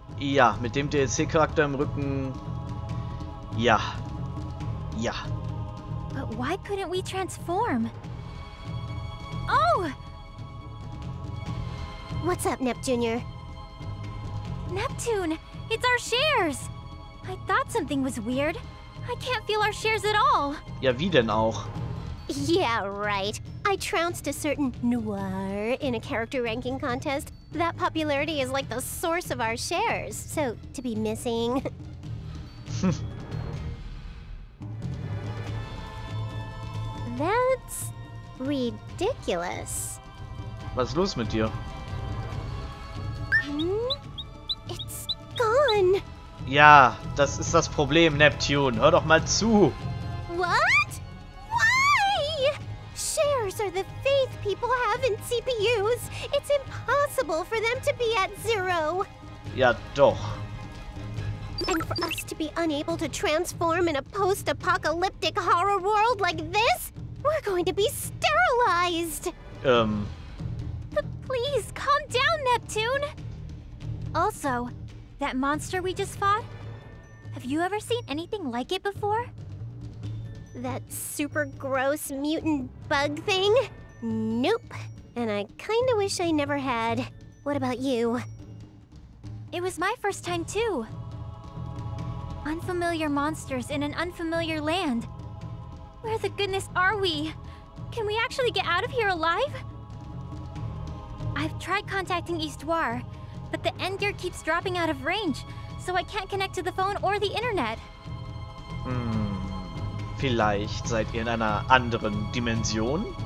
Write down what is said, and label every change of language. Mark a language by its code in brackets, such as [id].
[de] Ja, mit dem DLC-Charakter im Rücken. Ja. Ja. [en] But why couldn't we transform? Oh! What's up, Nep Junior? Neptune, it's our shares! I thought something was weird. I can't feel our shares at all. [de] Ja, wie denn auch? [en] Yeah, right. I trounced a certain Noir in a character ranking contest. That popularity is like the source of our shares. So, to be missing. That's ridiculous. [de] Was ist los mit dir? [en] It's gone. [de] Ja, das ist das Problem, Neptune. Hör doch mal zu. [en] What? Why? Shares are the faith people have in CPUs. It's impossible for them to be at zero. Ja, doch. And for us to be unable to transform in a post-apocalyptic horror world like this, we're going to be sterilized. But please, calm down, Neptune. Also, that monster we just fought? Have you ever seen anything like it before? That super gross mutant bug thing? Nope. And I kinda wish I never had. What about you? It was my first time too. Unfamiliar monsters in an unfamiliar land. Where the goodness are we? Can we actually get out of here alive? I've tried contacting Eastwar. But the end gear keeps dropping out of range, so I can't connect to the phone or the internet. [de] Hmm, vielleicht seid ihr in einer anderen Dimension?